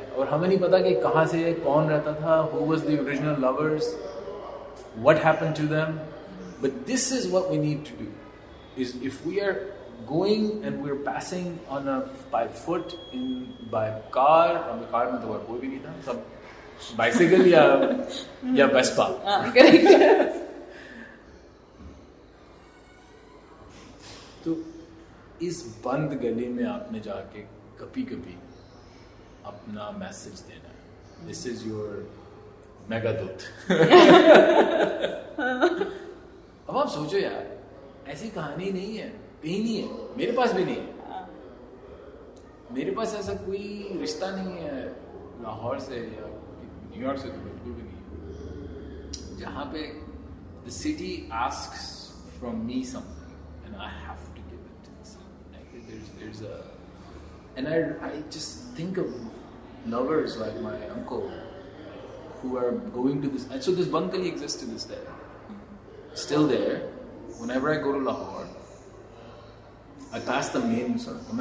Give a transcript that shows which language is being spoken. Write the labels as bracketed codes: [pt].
[hi] और हमें नहीं पता कि कहाँ से कौन रहता था, [en] who was the original lovers, what happened to them. But this is what we need to do, is if we are going and we are passing on a by foot in by car, [hi] हमें car में तो कोई भी नहीं था, सब Bicycle ya, ya Vespa. [en] Correct. [hi] तो इस बंद गली में आपने जाके कभी कभी अपना मैसेज देना है. [en] This is your Meghdoot. [hi] अब आप सोचो यार, ऐसी कहानी नहीं है, कहीं नहीं है, मेरे पास भी नहीं है. मेरे पास ऐसा कोई रिश्ता नहीं है लाहौर से या न्यूयॉर्क से, तो बिल्कुल भी नहीं है, जहाँ पे [en] The city asks from me something and I have to give it. There's a, and I just think of lovers like my uncle who are going to this. So this Bankali exists to this day, still there. Whenever I go to Lahore, I pass the main circle.